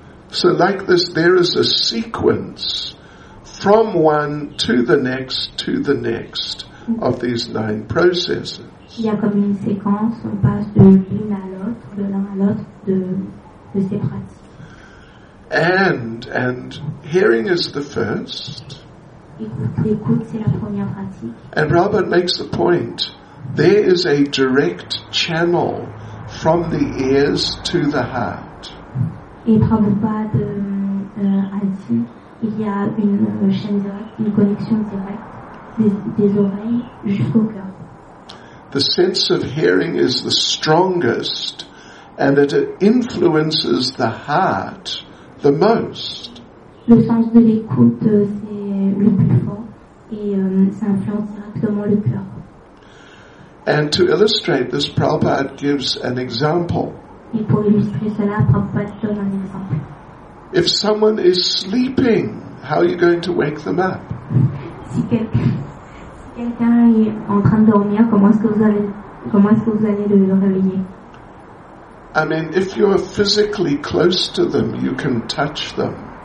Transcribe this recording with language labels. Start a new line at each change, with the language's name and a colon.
English: So like this, there is a sequence from one to the next of these 9 processes.
French: qu'il y a comme une séquence, on passe de l'une à l'autre, de l'un à l'autre de ces pratiques.
English: And hearing is the first.
French: L'écoute, c'est la première pratique.
English: And Robert makes the point, there is a direct channel from the ears to the heart.
French: Et Prabhupada a dit, il y a une chaîne directe, une connexion directe des oreilles jusqu'au cœur.
English: The sense of hearing is the strongest, and it influences the heart the most.
French: Le sens de l'écoute, c'est le plus fort, et ça influence directement le cœur.
English: And to illustrate this, Prabhupada gives an example.
French: Et pour illustrer cela, Prabhupada donne un exemple.
English: If someone is sleeping, how are you going to wake them up?
French: Si quelqu'un est en train de dormir, comment est-ce que vous allez le réveiller?
English: I mean, if you are physically close to them, you can touch them.